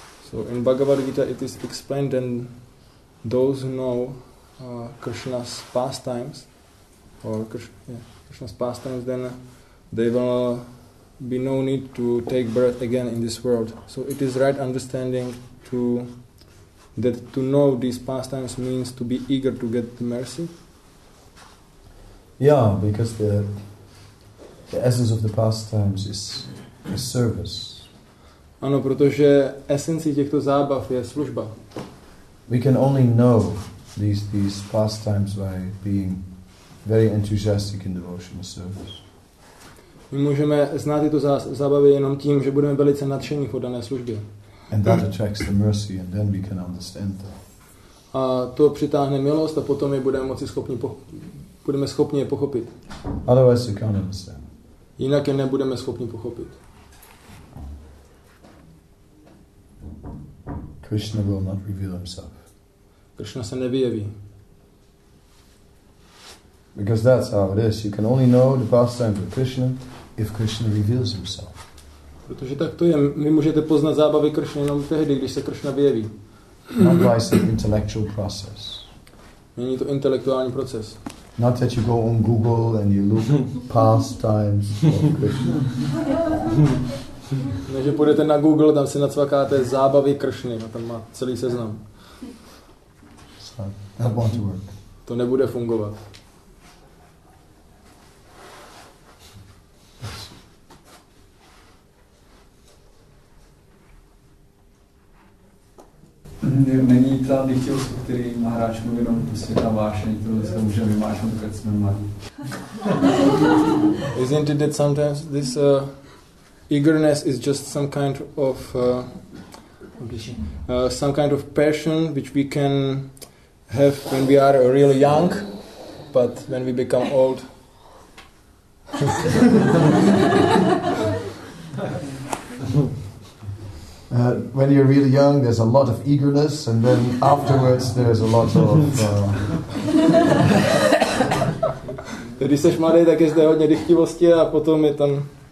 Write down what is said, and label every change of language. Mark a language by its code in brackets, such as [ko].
[en] So in Bhagavad Gita it is explained and those who know Krishna's pastimes or Krishna's pastimes, then they will be no need to take birth again in this world. So it is right understanding to that to know these pastimes means to be eager to get the mercy. Yeah, because the essence of the pastimes is service. [cs] Ano, protože esencí těchto zábav je služba. [en] We can only know these pastimes by being very enthusiastic in devotional service. [cs] My můžeme znát tyto zábavy jenom tím, že budeme velice nadšení po dané službě. [en] And that attracts the mercy, and then we can understand that. [cs] A to přitáhne milost a potom je budeme moci schopni budeme schopni je pochopit. [en] Otherwise we can't understand. [cs] Jinak je nebudeme schopni pochopit. [en] Krishna will not reveal himself. [cs] Krishna se nevyjeví. [en] Because that's how it is. You can only know the pastimes of Krishna if Krishna reveals himself. [cs] Protože tak to je. Vy můžete poznat zábavy Krishna jenom tehdy, když se Krishna vyjeví. [en] Not by the intellectual process. [cs] Není to intelektuální proces. [en] Not that you go on Google and you look pastimes of Krishna. [cs] Ne, že půjdete na Google, tam si nacvakáte zábavy Kršny a tam má celý seznam. [en] That won't work. [cs] To nebude fungovat. Není ta dychtivost, který má hráč, mluví jenom světa vášení, kterou se může vymášnout, když jsme mladí. [en] Isn't it that sometimes this... Eagerness is just some kind of passion which we can have when we are really young, but when we become old. When you're really young, there's a lot of eagerness, and then afterwards, there's a lot of. [cs] Když jsi mladý, tak je zde hodně dychtivosti a potom je tam.